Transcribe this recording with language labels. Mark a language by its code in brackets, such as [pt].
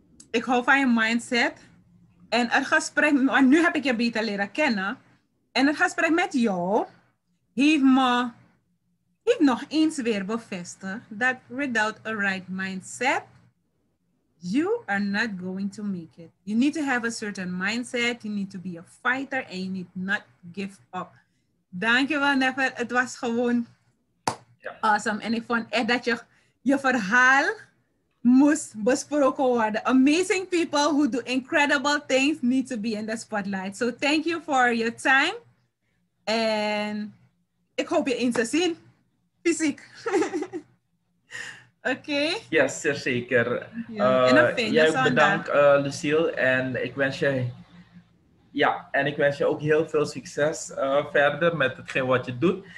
[nl] Ik hou van je mindset. En het gesprek, want nu heb ik je beter leren kennen. En het gesprek met jou heeft nog eens weer bevestigd dat [en] without a right mindset, you are not going to make it. You need to have a certain mindset. You need to be a fighter and you need not give up. [nl] Dankjewel, Nephille. Het was gewoon awesome. En ik vond echt dat je verhaal moest besproken worden. [en] Amazing people who do incredible things need to be in the spotlight. So thank you for your time. [nl] En ik hoop je eens te zien. Fysiek. Oké. Ja, zeer zeker. Ja, ook bedankt Lucille. En ik wens je... ja, en ik wens je ook heel veel succes verder met hetgeen wat je doet.